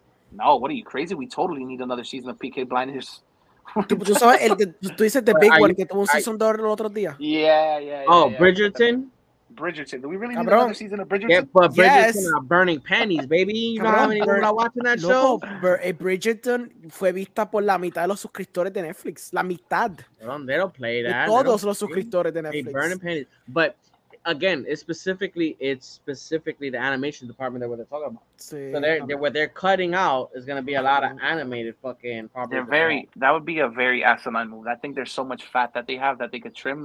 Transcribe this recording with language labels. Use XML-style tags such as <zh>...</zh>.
<en>No, what are you, crazy? We totally need another season of Peaky Blinders. You saw it, you said the big one, that one season the other day. Yeah. Oh, Bridgerton? Bridgerton. Do we really need another season of Bridgerton? Yeah, but Bridgerton yes. are burning panties, baby. You know how many people are watching that show?</en> <es>Bridgerton fue vista por la mitad de los suscriptores de Netflix. La mitad.</es> <en>They don't play that.</en> <es>Todos los suscriptores de Netflix.</es> <en>They burning panties. But again, it's specifically the animation department that they're talking about.</en> <es>Sí,</es> <en>so what they're cutting out is going to be a lot of animated fucking properties. They're very, that would be a very asinine move. I think there's so much fat that they have that they could trim.</en>